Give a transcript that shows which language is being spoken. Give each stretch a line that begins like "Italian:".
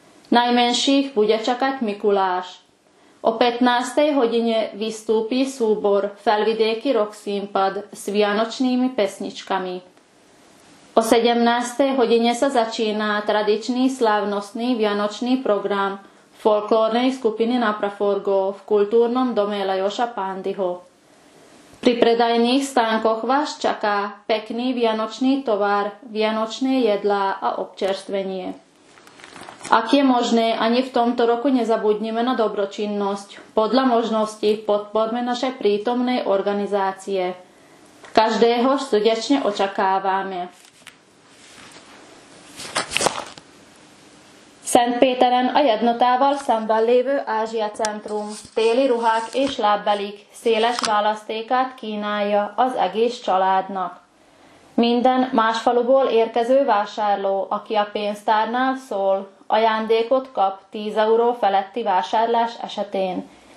Slovak: Najmenších bude čakať Mikuláš. O 15. hodine vystúpi súbor Felvidéky Rock Simpad s vianočnými pesničkami. O 17. hodine sa začína tradičný slávnostný vianočný program folklórnej skupiny na Praforgo v kultúrnom dome Lajoša Pándyho. Pri predajných stánkoch vás čaká pekný vianočný tovar, vianočné jedlá a občerstvenie. Ak je možné, ani v tomto roku nezabudneme na dobročinnosť. Podľa možností podporme naše prítomné organizácie. Každého srdečne očakávame.
Hungarian: Szent Péteren a jednotával szemben lévő Ázsia Centrum téli ruhák és lábbelik széles választékát kínálja az egész családnak. Minden más faluból érkező vásárló, aki a pénztárnál szól, ajándékot kap 10 euró feletti vásárlás esetén.